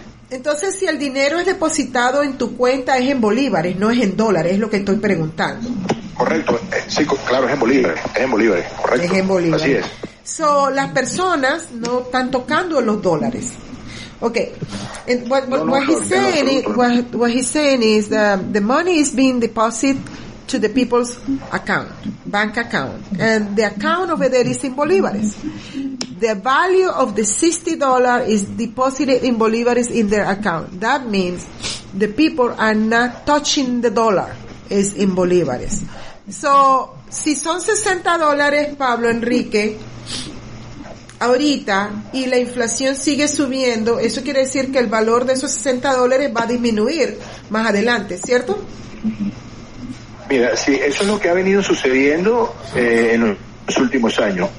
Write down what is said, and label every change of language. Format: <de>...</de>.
<es>Entonces, si el dinero es depositado en tu cuenta, es en bolívares, no es en dólares, es lo que estoy preguntando. Correcto, sí, claro, es en bolívares, correcto. Es en bolívares. Así es. So, las personas no están tocando los dólares.</es> <en>Okay. What he's saying is that the money is being deposited to the people's account, bank account. And the account over there is in bolívares. The value of the $60 is deposited in bolívares in their account. That means the people are not touching the dollar. It's in bolívares.</en> <es>So, si son $60, Pablo Enrique, ahorita, y la inflación sigue subiendo, eso quiere decir que el valor de esos $60 va a disminuir más adelante, ¿cierto? Mira, sí, eso es lo que ha venido sucediendo los últimos años.</es>